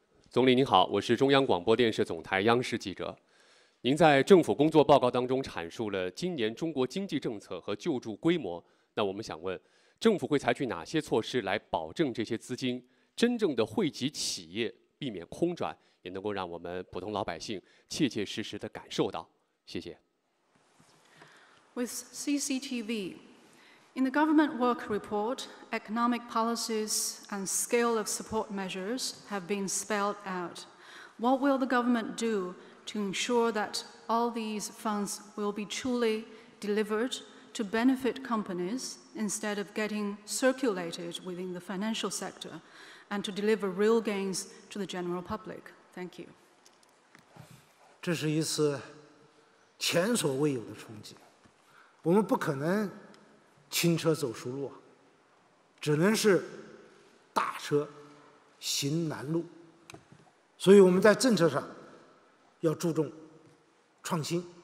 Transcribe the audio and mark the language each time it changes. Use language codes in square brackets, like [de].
[zh] 总理您好，我是中央广播电视总台央视记者。您在政府工作报告当中阐述了今年中国经济政策和救助规模，那我们想问，政府会采取哪些措施来保证这些资金真正的惠及企业，避免空转，也能够让我们普通老百姓切切实实地感受到？谢谢。 [en] With CCTV, in the government work report, economic policies and scale of support measures have been spelled out. What will the government do to ensure that all these funds will be truly delivered to benefit companies instead of getting circulated within the financial sector and to deliver real gains to the general public? Thank you. [zh] 这是一次前所未有的冲击。我们不可能轻车走熟路，只能是大车行难路。所以我们在政策上要注重创新。